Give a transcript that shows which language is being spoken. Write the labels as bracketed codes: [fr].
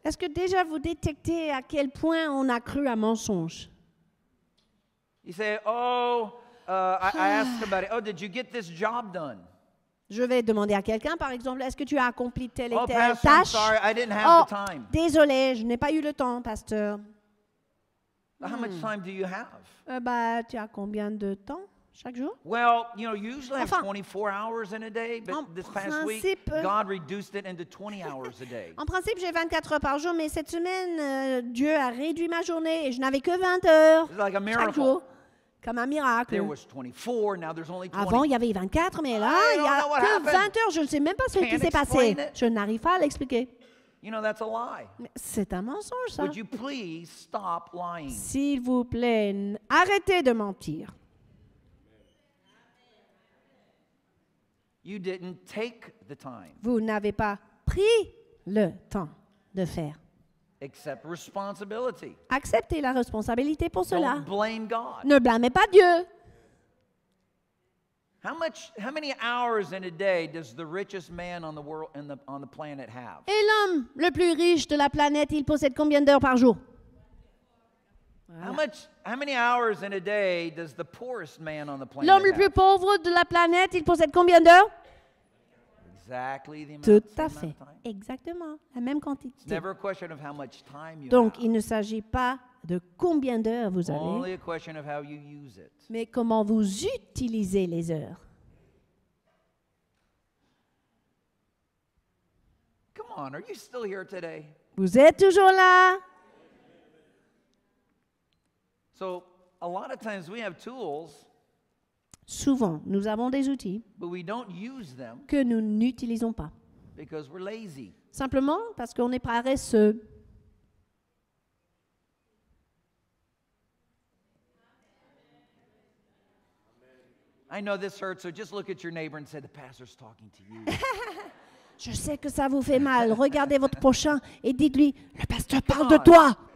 [fr] Est-ce que déjà vous détectez à quel point on a cru à mensonge? [en] You say, oh, I asked somebody, oh, did you get this job done? [fr] Je vais demander à quelqu'un, par exemple, est-ce que tu as accompli telle et telle tâche? [en] Oh, pastor, I'm sorry, I didn't have the time. [fr] Désolé, je n'ai pas eu le temps, pasteur. [en] How much time do you have? [fr] Tu as combien de temps? Chaque jour? [en] Well, you know, usually I have 24 hours in a day, but this past week, God reduced it into 20 hours a day. [fr] En principe, j'ai 24 heures par jour, mais cette semaine, Dieu a réduit ma journée et je n'avais que 20 heures [en] like [fr] chaque jour. Comme un miracle. [en] There was 24, now there's only 20. [fr] Avant, il y avait 24, mais là, il n'y a que 20 [en] happened. [fr] Heures. Je ne sais même pas ce [en] Can't [fr] qui s'est passé. [en] It? [fr] Je n'arrive pas à l'expliquer. [en] You know, that's a lie. [fr] C'est un mensonge, ça. [en] Would you please stop lying? [fr] S'il vous plaît, arrêtez de mentir. [en] You didn't take the time. [fr] Vous n'avez pas pris le temps de faire. [en] Accept responsibility. [fr] Acceptez la responsabilité pour [en] Don't [fr] cela. [en] Blame God. [fr] Ne blâmez pas Dieu. [en] How many hours in a day does the richest man on the world on the planet have? [fr] Et l'homme le plus riche de la planète, il possède combien d'heures par jour? [en] How many hours in a day does the poorest man on the planet [fr] L'homme le plus pauvre de la planète, il possède combien d'heures? [en] Exactly the [fr] Tout [en] amount, [fr] à fait. Exactement. La même quantité. [en] It's never a question of how much time you [fr] Donc, [en] have. [fr] Il ne s'agit pas de combien d'heures vous avez. [en] Only a question of how you use it. [fr] Mais comment vous utilisez les heures. [en] Come on, are you still here today? [fr] Vous êtes toujours là? [en] So, a lot of times we have tools. [fr] Souvent, nous avons des outils [en] but we don't use them [fr] que nous n'utilisons pas. [en] Because we're lazy. [fr] Simplement parce qu'on est paresseux. [en] I know this hurts, so just look at your neighbor and say the pastor's talking to you. [fr] Je sais que ça vous fait mal. Regardez votre prochain et dites-lui le pasteur parle de toi.